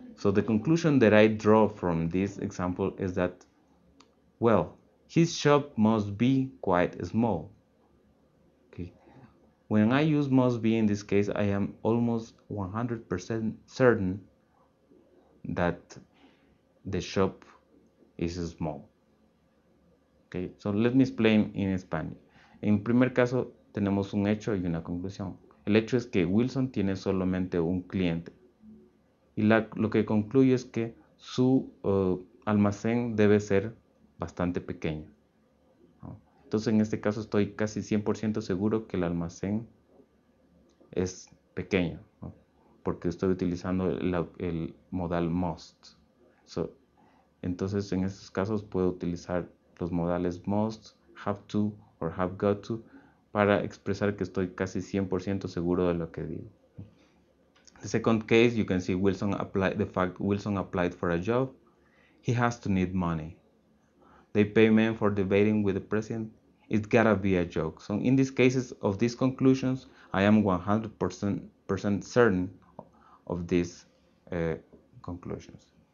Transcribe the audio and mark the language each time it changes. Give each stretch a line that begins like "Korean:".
English: So the conclusion that I draw from this example is that, well, his shop must be quite small. Okay. When I use must be in this case, I am almost 100% certain that the shop is small. Okay, so let me explain in Spanish.
Spanish: En primer caso, tenemos un hecho y una conclusión. El hecho es que Wilson tiene solamente un cliente. Y lo que concluye es que su almacén debe ser bastante pequeño. Entonces, en este caso, estoy casi 100% seguro que el almacén es pequeño, ¿no? Porque estoy utilizando el modal must. So, entonces, en estos casos, puedo utilizar los modales must, have to, or have got to, para expresar que estoy casi 100% seguro de lo que digo.
English: The second case, you can see Wilson applied for a job. He has to need money. They pay men for debating with the president. It's gotta be a joke. So, in these cases of these conclusions, I am 100% certain of these conclusions.